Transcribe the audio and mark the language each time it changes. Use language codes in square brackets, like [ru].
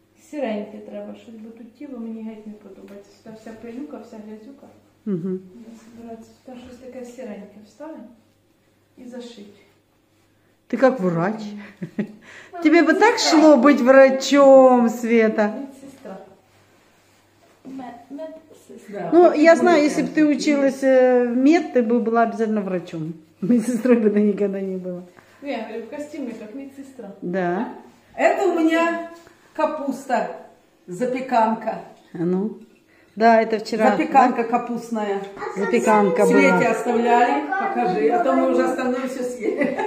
[uk] Сиреньки треба, щоб тут тіло мені геть не подобається. Сюди вся пилюка, вся грязюка. Сюди щось таке сиреньке вставим і зашить. Ти як врач? Тебе б так шло бути врачом, Света? Медсестра. Медсестра. Ну, я знаю, якщо б ти училася в мед, ти б була обов'язково врачом. Медсестрою би ти ніколи не була. Ну, я говорю, в костюмі, як медсестра. [ru] Да. Это у меня капуста, запеканка. А ну? Да, это вчера. Запеканка, да? Капустная. Запеканка была. Свете оставляли, покажи, а то мы уже остальное все съели.